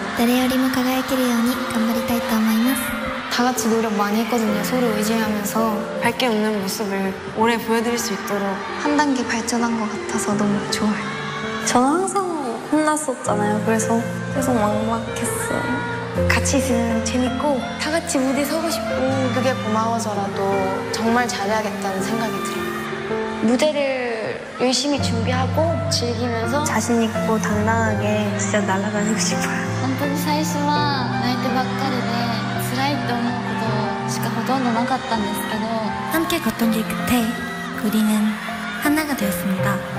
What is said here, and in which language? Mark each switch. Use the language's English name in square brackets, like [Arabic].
[Japanese] 誰よりも輝けるように頑張りたいと思います. [Korean] 다 같이 노력 많이 했거든요. 서로 의지하면서 밝게 웃는 모습을 오래 보여드릴 수 있도록 한 단계 발전한 것 같아서 너무 좋아요. 저는 항상 혼났었잖아요. 그래서 계속 막막했어요. 같이 있으면 재밌고 다 같이 무대 서고 싶고 그게 고마워서라도 정말 잘해야겠다는 생각이 들어요. 무대를 열심히 준비하고 즐기면서 자신 있고 당당하게 진짜 날아다니고 싶어요. [Japanese] 本当に 最初は 泣い てばっかりで 辛いって思うことしかほとんどなかったんですけど [Korean] 함께 걷던 길 끝에 우리는 하나가 되었습니다.